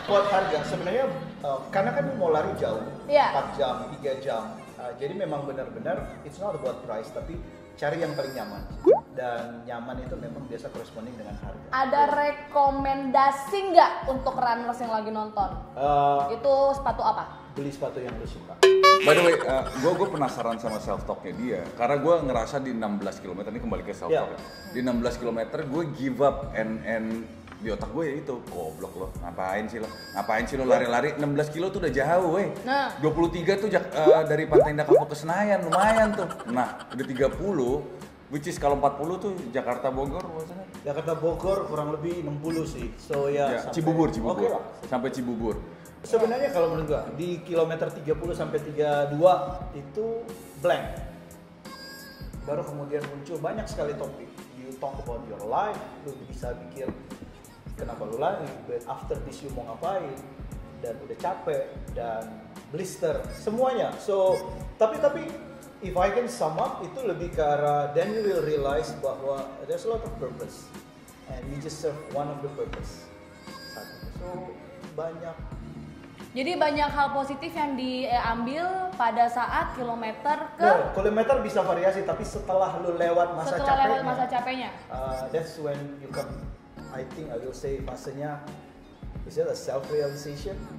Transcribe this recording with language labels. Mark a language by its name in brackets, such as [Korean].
[Indonesian] Buat harga sebenarnya karena kan mau lari jauh. [English] Yeah. [Indonesian] 4 jam, 3 jam. Jadi memang benar-benar [English] it's not about price [Indonesian] tapi cari yang paling nyaman. Dan nyaman itu memang biasa corresponding dengan harga. Ada rekomendasi enggak untuk runners yang lagi nonton? Itu sepatu apa? Beli sepatu yang lu suka. [English] By the way, [Indonesian] gue penasaran sama self-talknya dia. Karena gue ngerasa di 16 km, ini kembali ke self-talk ya. Di 16 km gue [English] give up and [Indonesian] di otak gue ya itu. Goblok lo, ngapain sih lo lari-lari. 16 kilo tuh udah jauh weh. 23 tuh dari Pantai Indah Kapuk ke Senayan, lumayan tuh. Nah, udah 30, [English] which is [Indonesian] kalau 40 tuh Jakarta Bogor. Jakarta Bogor kurang lebih 60 sih. So ya, ya sampai Cibubur. Okay. Sampai Cibubur. Sebenarnya kalau menurut gua di kilometer 30 sampai 32 itu blank. Baru kemudian muncul banyak sekali topik. [English] You talk about your life, [Indonesian] lu bisa pikir kenapa lu lari, [English] but after this you [Indonesian] mau ngapain, dan udah capek dan blister semuanya. [English] So, [Indonesian] tapi [English] if I can sum up [Indonesian] itu lebih ke arah [English] then you will realize [Indonesian] bahwa [English] there's a lot of purpose and you just serve one of the purpose. [Indonesian] Satu. So, banyak. Jadi banyak hal positif yang diambil pada saat kilometer ke... Yeah, kilometer bisa variasi, tapi setelah lu lewat masa setelah Setelah lewat masa capeknya. [English] That's when you come. I think I will say [Indonesian] fasenya, [English] is it a self-realization?